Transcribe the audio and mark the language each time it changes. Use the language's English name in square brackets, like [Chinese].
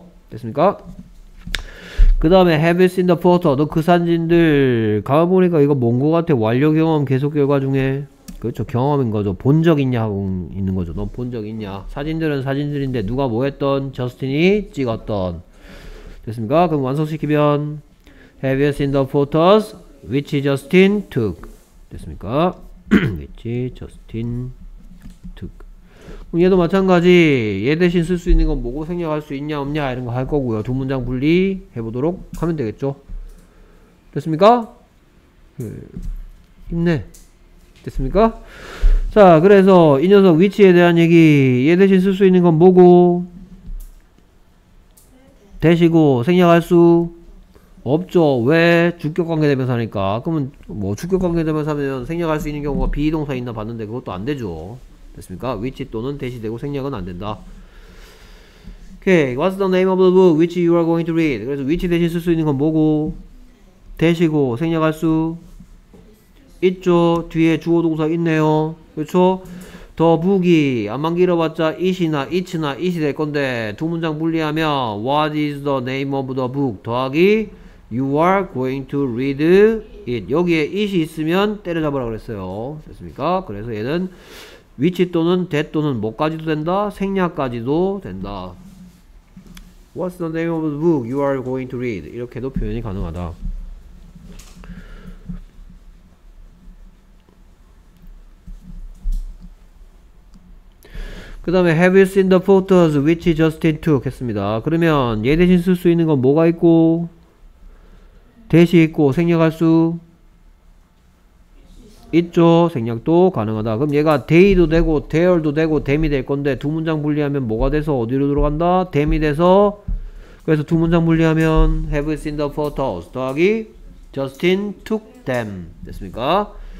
[Korean] 됐습니까? 그 다음에 [English] have you seen the photo? [Korean] 너 그 사진들 가보니까 이거 뭔 거 같아? 완료 경험 계속 결과 중에 그렇죠. 경험인 거죠. 본 적 있냐 하고 있는 거죠. 넌 본 적 있냐. 사진들은 사진들인데 누가 뭐 했던? 저스틴이 찍었던. 됐습니까? 그럼 완성시키면 [English] Have you seen the photos which Justin took? [Korean] 됐습니까? [English] which Justin took. [Korean] 그럼 얘도 마찬가지. 얘 대신 쓸 수 있는 건 뭐고 생략할 수 있냐 없냐 이런 거 할 거고요. 두 문장 분리 해보도록 하면 되겠죠. 됐습니까? 힘내. 됐습니까? 자, 그래서 이 녀석 위치에 대한 얘기 얘 대신 쓸 수 있는 건 뭐고? 대시고 생략할 수 없죠. 왜? 주격관계대명사니까. 그러면 뭐 주격관계대명사면 생략할 수 있는 경우가 비동사 있나 봤는데 그것도 안 되죠. 됐습니까? 위치 또는 대시되고 생략은 안 된다. [English] Okay, what's the name of the book which you are going to read? [Korean] 그래서 위치 대신 쓸 수 있는 건 뭐고? 대시고 생략할 수 있죠. 뒤에 주어동사 있네요. 그쵸? 더 북이 안만 길어봤자 it이나 it이나 it이 될 건데 두 문장 분리하면 [English] what is the name of the book [Korean] 더하기 [English] You are going to read it. [Korean] 여기에 it이 있으면 때려잡으라 그랬어요. 됐습니까? 그래서 얘는 which 또는 that 또는 뭐까지도 된다? 생략까지도 된다. [English] What's the name of the book you are going to read? [Korean] 이렇게도 표현이 가능하다. 그 다음에 [English] Have you seen the photos which Justin took? [Korean] 했습니다. 그러면 얘 대신 쓸 수 있는 건 뭐가 있고? 대시 있고 생략할 수 있죠. 생략도 가능하다. 그럼 얘가 day도 되고 there도 되고 them이 될 건데 두 문장 분리하면 뭐가 돼서 어디로 들어간다? [English] them이 돼서 [Korean] 그래서 두 문장 분리하면 [English] Have you seen the photos [Korean] 더하기 [English] Justin took them [Korean] 됐습니까?